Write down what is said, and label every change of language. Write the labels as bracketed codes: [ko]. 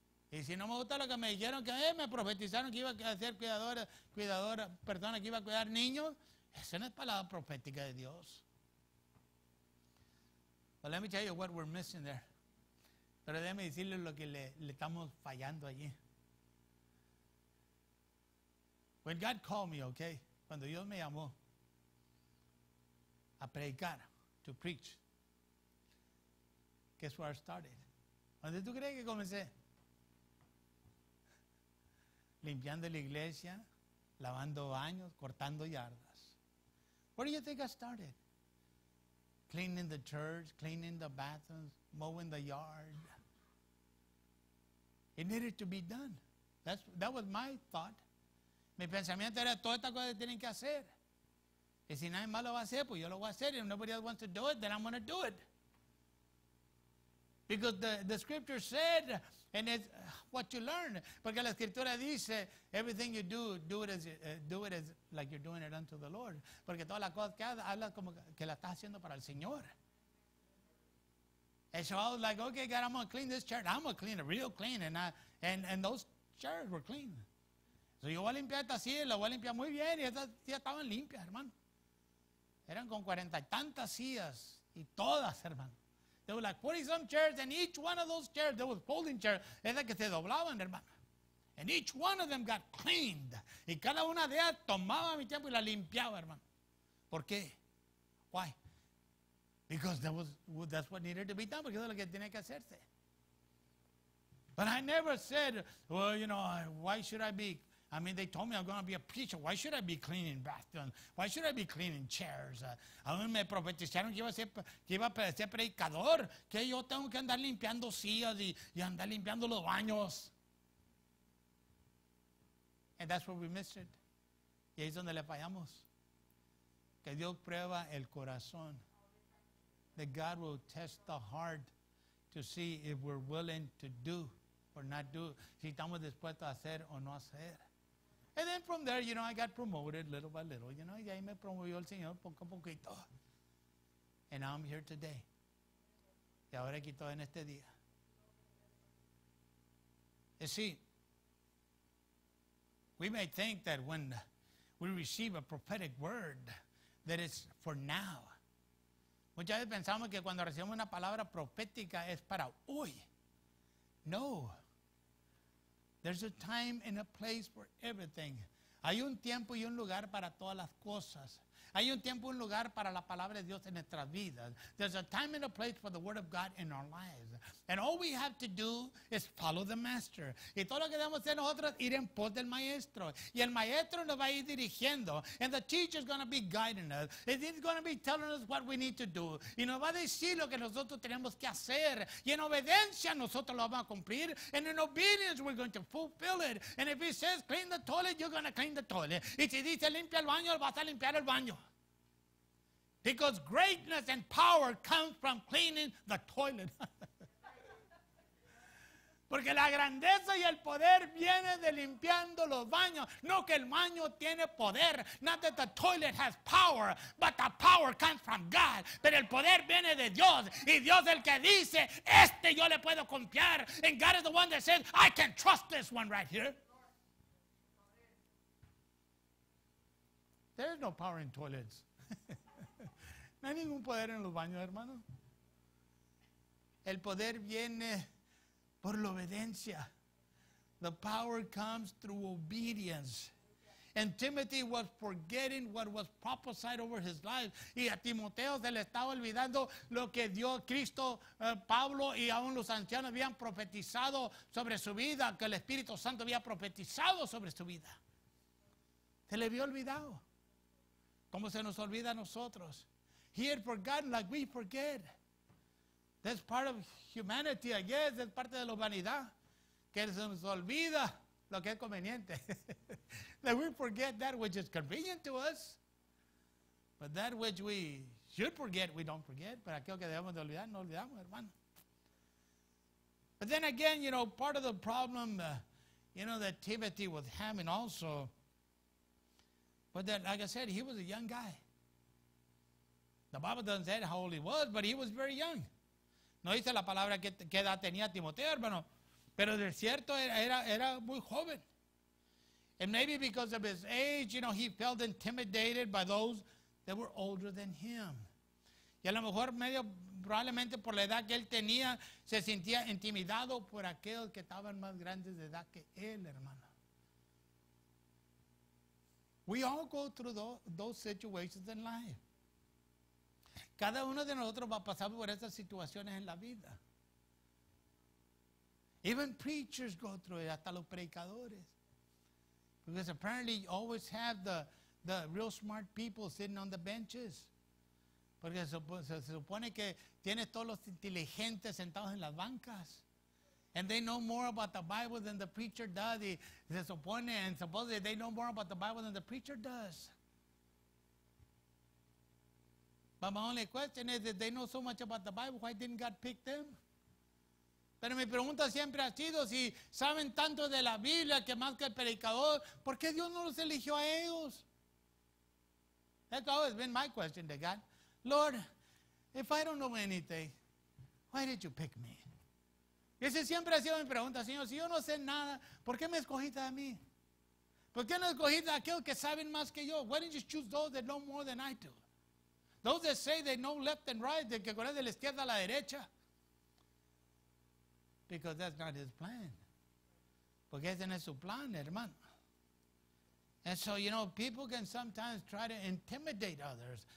[es] Y si no me gusta lo que me dijeron, que me profetizaron que iba a ser cuidadora, que iba a cuidar niños, eso no es palabra profética de Dios. [en] But let me tell you what we're missing there. [es] Pero déjeme decirle lo que le estamos fallando allí. [en] When God called me, okay, [es] cuando Dios me llamó a predicar, [en] to preach, guess where I started? [es] ¿Dónde tú crees que comencé? Limpiando la iglesia, lavando baños, cortando yardas. [en] Where do you think I started? Cleaning the church, cleaning the bathrooms, mowing the yard. It needed to be done. That was my thought. [es] Mi pensamiento era, todas estas cosas tienen que hacer. Y si nadie más lo va a hacer, pues yo lo voy a hacer. [en] If nobody else wants to do it, then I'm going to do it. Because the scripture said, and it's what you learn. [es] Porque la escritura dice, [en] everything you do, do it as like you're doing it unto the Lord. [es] Porque todas las cosas que hablas como que la estás haciendo para el Señor. [en] And so I was like, okay, God, I'm going to clean this church. I'm going to clean it real clean. And those chairs were clean. [es] So yo voy a limpiar esta silla, la voy a limpiar muy bien. Y estas sillas estaban limpias, hermano. Eran con 40 y tantas sillas. Y todas, hermano. [en] There were like 40 some chairs, and each one of those chairs, there was folding chairs, [es] esas que se doblaban, hermano. [en] And each one of them got cleaned. [es] Y cada una de ellas tomaba mi tiempo y la limpiaba, hermano. ¿Por qué? [en] Why? Because that's what needed to be done. [es] Porque eso es lo que tenía que hacerse. [en] But I never said, well, you know, why should I be? I mean, they told me I'm going to be a preacher. Why should I be cleaning bathrooms? Why should I be cleaning chairs? A mí me profetizaron que iba a ser predicador, que yo tengo que andar limpiando sillas y andar limpiando los baños. And that's where we missed it. [es] Y ahí es donde le fallamos. Que Dios prueba el corazón. [en] That God will test the heart to see if we're willing to do or not do. [es] Si estamos dispuestos a hacer o no hacer. [en] And then from there, you know, I got promoted little by little. You know, [es] y ahí me promovió el Señor poco a poquito. [en] And now I'm here today. [es] Y ahora aquí estoy en este día. [en] You see, we may think that when we receive a prophetic word that it's for now. [es] Muchas veces pensamos que cuando recibimos una palabra profética es para hoy. No. [en] There's a time and a place for everything. [es] Hay un tiempo y un lugar para todas las cosas. Hay un tiempo y un lugar para la palabra de Dios en nuestras vidas. [en] There's a time and a place for the word of God in our lives. And all we have to do is follow the master. [es] Y todo lo que debemos hacer nosotros es ir en pos del maestro. Y el maestro nos va a ir dirigiendo. [en] And the teacher is going to be guiding us. And he's going to be telling us what we need to do. [es] Y nos va a decir lo que nosotros tenemos que hacer. Y en obediencia nosotros lo vamos a cumplir. [en] And in obedience we're going to fulfill it. And if he says clean the toilet, you're going to clean the toilet. [es] Y si dice limpia el baño, vas a limpiar el baño. [en] Because greatness and power comes from cleaning the toilet. [es] Porque la grandeza y el poder viene de limpiando los baños. No que el baño tiene poder. [en] Not that the toilet has power, but the power comes from God. [es] Pero el poder viene de Dios. Y Dios el que dice, este yo le puedo confiar. [en] And God is the one that says, I can trust this one right here. There is no power in toilets. [es] No hay ningún poder en los baños, hermano. El poder viene por la obediencia. [en] The power comes through obedience. And Timothy was forgetting what was prophesied over his life. [es] Y a Timoteo se le estaba olvidando lo que Dios, Cristo, Pablo y aún los ancianos habían profetizado sobre su vida, que el Espíritu Santo había profetizado sobre su vida. Se le había olvidado. ¿Cómo se nos olvida a nosotros? [en] He had forgotten like we forget. That's part of humanity, I guess. That's [es] parte de la humanidad. Que se nos olvida lo que es conveniente. [en] That we forget that which is convenient to us. But that which we should forget, we don't forget. [es] Pero aquello que debemos de olvidar, no olvidamos, hermano. [en] But then again, you know, part of the problem, you know, that Timothy was having also. But then, like I said, he was a young guy. The Bible doesn't say how old he was, but he was very young. [es] No dice la palabra qué edad tenía Timoteo, hermano. Pero de cierto, era muy joven. [en] And maybe because of his age, you know, he felt intimidated by those that were older than him. [es] Y a lo mejor, medio probablemente por la edad que él tenía, se sentía intimidado por aquellos que estaban más grandes de edad que él, hermano. [en] We all go through those situations in life. [es] Cada uno de nosotros va a pasar por esas situaciones en la vida. [en] Even preachers go through it, [es] hasta los predicadores. [en] Because apparently you always have the real smart people sitting on the benches. [es] Porque se supone que tiene todos los inteligentes sentados en las bancas. [en] And they know more about the Bible than the preacher does. [es] Y se supone, [en] and supposedly they know more about the Bible than the preacher does. But my only question is, if they know so much about the Bible, why didn't God pick them? [es] Pero mi pregunta siempre ha sido, si saben tanto de la Biblia que más que el predicador, ¿por qué Dios no los eligió a ellos? [en] That's always been my question to God. Lord, if I don't know anything, why did you pick me? [es] Ese siempre ha sido mi pregunta, Señor, si yo no sé nada, ¿por qué me escogiste a mí? ¿Por qué no escogiste a aquellos que saben más que yo? [en] Why don't you choose those that know more than I do? Those that say they know left and right, [es] de que corren de la izquierda a la derecha. [en] Because that's not his plan. [es] Porque ese no es su plan, hermano. [en] And so, you know, people can sometimes try to intimidate others.